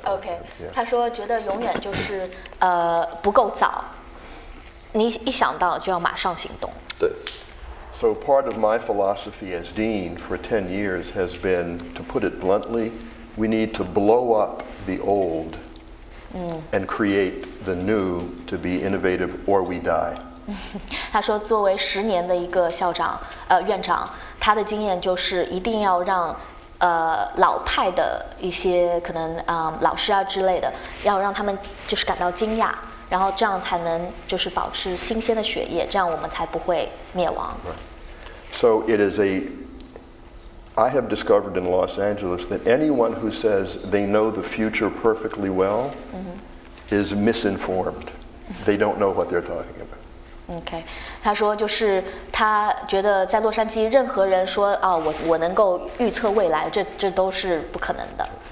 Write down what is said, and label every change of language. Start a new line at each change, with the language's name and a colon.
Chinese: Okay, yeah. 他说觉得永远就是不够早，你一想到就要马上行动。对。
English: So part of my philosophy as dean for 10 years has been, to put it bluntly, we need to blow up the old and create the new to be innovative, or we die.
Chinese: 他说，作为十年的一个校长，院长，他的经验就是一定要让，老派的一些可能，老师啊之类的，要让他们就是感到惊讶，然后这样才能就是保持新鲜的血液，这样我们才不会灭亡。
English: Right. So it is a. I have discovered in Los Angeles that anyone who says they know the future perfectly well. Is misinformed. They don't know what they're talking about. Okay.
Chinese: 他说就是他觉得在洛杉矶任何人说啊、哦、我能够预测未来这都是不可能的。